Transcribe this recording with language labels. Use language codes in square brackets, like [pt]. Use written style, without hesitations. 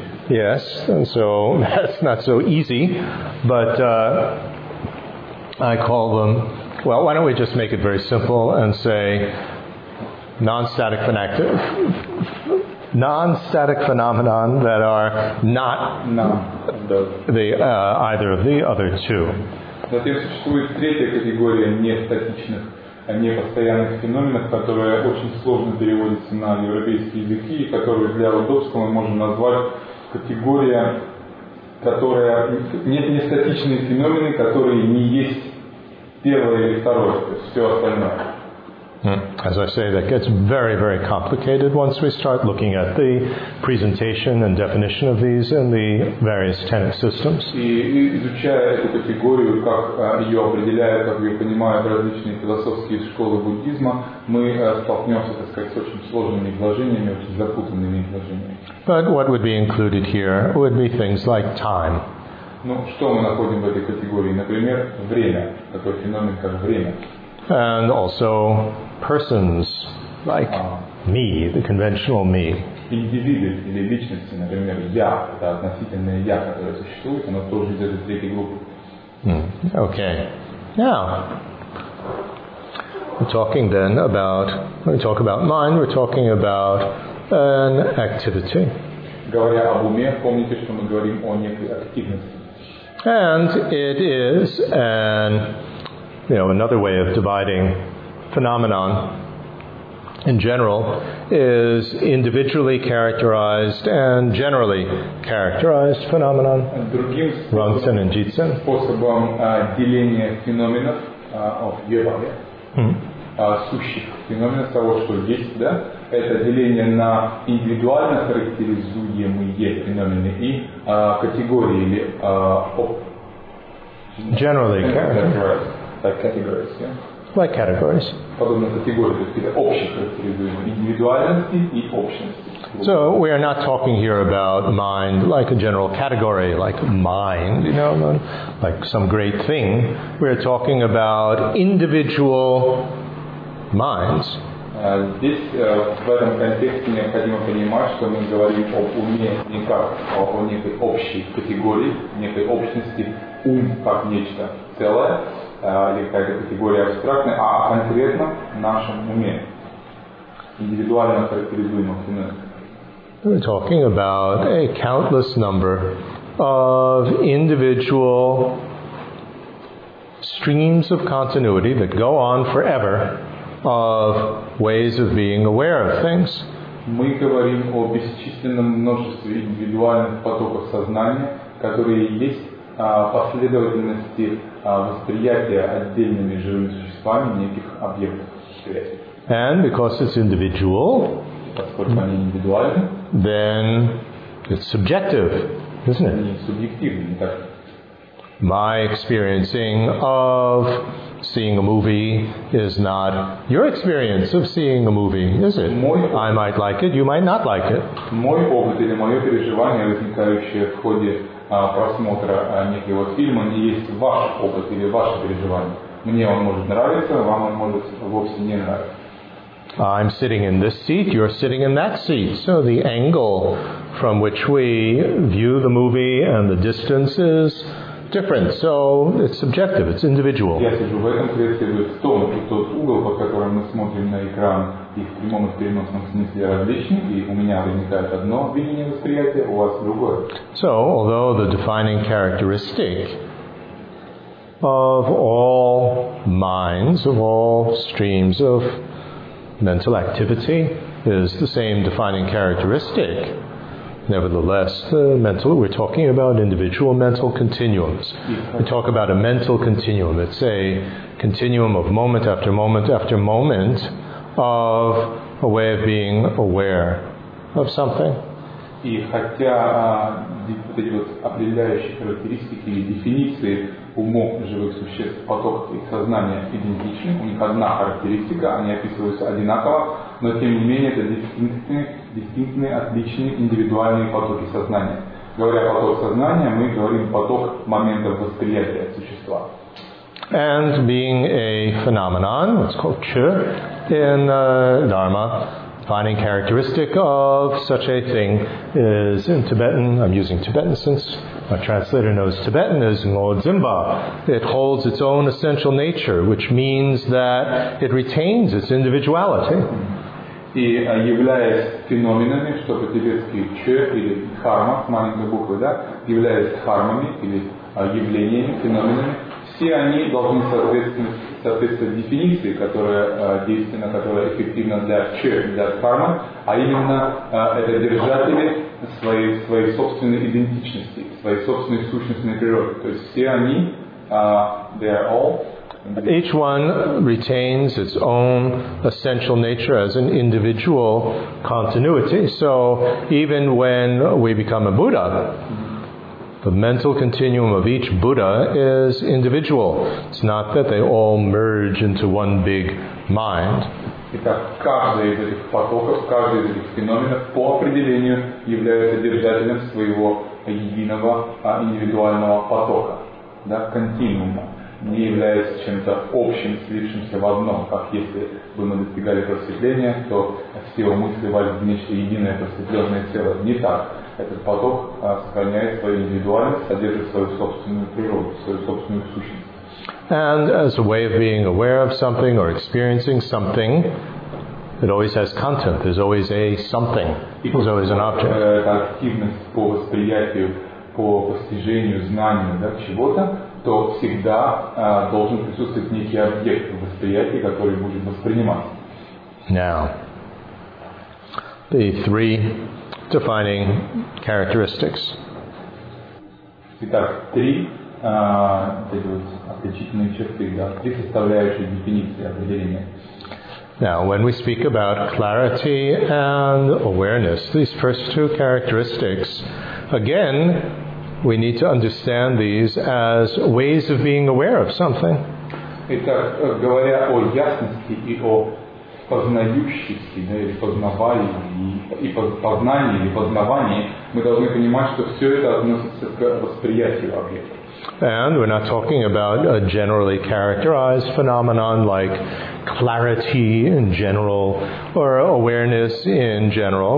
[en] Yes, and so that's not so easy, but I call them, well, why don't we just make it very simple and say non-static phenactic. Non-static phenomenon that are not either of the other two. [ru] Затем существует третья категория нестатичных, непостоянных феноменов, которая очень сложно переводится на европейские языки, и которую для удобства мы можем назвать категория, которая нестатичные феномены, которые не есть первое или второе, то есть все остальное. [en] As I say, that gets very, very complicated once we start looking at the presentation and definition of these in the various tenet systems. [ru] И изучая эту категорию, как ее определяют, как ее понимают различные философские школы буддизма, мы столкнемся, так сказать, с очень сложными изложениями, очень запутанными изложениями. [en] But what would be included here would be things like time. [ru] Ну, что мы находим в этой категории? Например, время, такой феномен, как время. [en] And also persons like me, the conventional me. [ru] Индивиды или личности, например, я, это относительное я, которое существует, оно тоже из этой третьей группы. [en] Okay. Now, we're talking then about, when we talk about mind, we're talking about an activity. [ru] Говоря об уме, помните, что мы говорим о некой активности. [en] And it is an... You know, another way of dividing phenomenon in general is individually characterized and generally characterized phenomenon. [ru] Другим Ронсен и Джитсен. Способом деления феноменов of Йобаве, сущих феноменов того, что есть, да, это деление на индивидуально характеризуемые феномены и категории или [en] generally characterized. Like categories, yeah. Like categories. Individuality and options. So we are not talking here about mind like a general category, like mind, you know, like some great thing. We are talking about individual minds. [ru] В этом контексте необходимо понимать, что мы говорим об уме не как о некой общей категории, некой общности, ум как нечто целое. или какая-то категория абстрактная, а конкретно в нашем уме, индивидуально характеризуемом уме. [en] We're talking about a countless number of individual streams of continuity that go on forever of ways of being aware of things. [ru] Мы говорим о бесчисленном множестве индивидуальных потоков сознания, которые есть последовательности восприятия отдельными живыми существами неких объектов. [en] And because it's individual, [ru] поскольку они индивидуальны, [en] then it's subjective, isn't it? [ru] Субъективно, не так. [en] My experiencing of seeing a movie is not your experience of seeing a movie, is it? I might like it, you might not like it. [ru] Мой опыт или мое переживание, возникающее в ходе просмотра некоего фильма, не есть ваш опыт или ваше переживание. Мне он может нравиться, вам он может вовсе не нравиться. [en] I'm sitting in this seat, you're sitting in that seat. So the angle from which we view the movie and the distance is different. So it's subjective, it's individual. [ru] Я сижу в этом кресле, вы в том, и тот угол, по которому мы смотрим на экран, и в прямом и в переносном смысле различны, и у меня возникает одно видение восприятия, у вас другое. [en] So, although the defining characteristic of all minds, of all streams of mental activity is the same defining characteristic. Nevertheless, the mental, we're talking about individual mental continuums. We talk about a mental continuum. It's a continuum of moment after moment after moment of a way of being aware of something. [ru] И хотя вот эти вот определяющие характеристики или дефиниции умов живых существ, поток их сознания идентичны, у них одна характеристика, они описываются одинаково, но тем не менее это дистинктные, отличные индивидуальные потоки сознания. Говоря поток сознания, мы говорим поток моментов восприятия существа. [en] And being a phenomenon, it's called chi in Dharma, defining characteristic of such a thing is in Tibetan, I'm using Tibetan since my translator knows Tibetan, is Ngo Dzimba. It holds its own essential nature, which means that it retains its individuality. [ru] И являясь феноменами, что по-тибетски ч или дхарма, маленькая буква, да, являясь дхармами или явлениями, феноменами, все они должны соответствовать дефиниции, которая действенна, которая эффективна для ч, для дхармы, а именно это держатели своей собственной идентичности, своей собственной сущностной природы. То есть все они, [en] they are all. Each one retains its own essential nature as an individual continuity. So even when we become a Buddha, the mental continuum of each Buddha is individual. It's not that they all merge into one big mind. [ru] Итак, каждый из этих потоков, каждый из этих феноменов по определению является держателем своего единого индивидуального потока, да, континуума. Не является чем-то общим, слившимся в одном, как если бы мы достигали просветления, то все умы сливались в нечто единое просветленное тело. Не так. Этот поток сохраняет свою индивидуальность, содержит свою собственную природу, свою собственную сущность. [en] And as a way of being aware of something or experiencing something, it always has content. There's always a something. There's always an object. [ru] Это активность по восприятию, по постижению, знанию, да, чего-то, то всегда должен присутствовать некий объект в восприятии, который будет восприниматься. [en] Now, the three defining characteristics. [ru] Итак, три отличительные черты, да, три составляющие дефиниции определения. [en] Now, when we speak about clarity and awareness, these first two characteristics, again, we need to understand these as ways of being aware of something. [ru] Итак, говоря о ясности и о познающести, да, или познавании, и познании, и познавании, мы должны понимать, что все это относится к восприятию объекта. [en] And we're not talking about a generally characterized phenomenon like clarity in general or awareness in general.